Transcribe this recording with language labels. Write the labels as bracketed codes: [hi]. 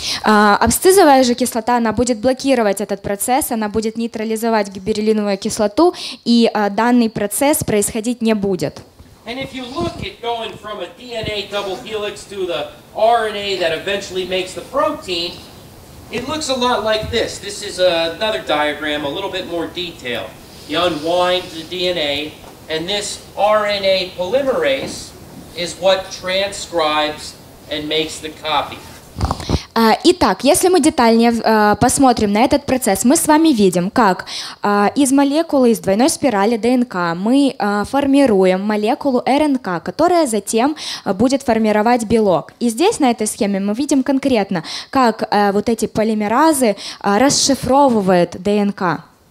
[ru] Абсцизовая же кислота, она будет блокировать этот процесс, она будет нейтрализовать гиберлиновую кислоту, и данный процесс происходить не будет. [en] And if you look at going from a DNA double helix to the RNA that eventually makes the protein, It looks a lot like this. This is another diagram, a little bit more detailed. You unwind the DNA, and this RNA polymerase is what transcribes and makes the copy. [ru] Итак, если мы детальнее посмотрим на этот процесс, мы с вами видим, как из молекулы, из двойной спирали ДНК мы формируем молекулу РНК, которая затем будет формировать белок. И здесь на этой схеме мы видим конкретно, как вот эти полимеразы расшифровывают ДНК.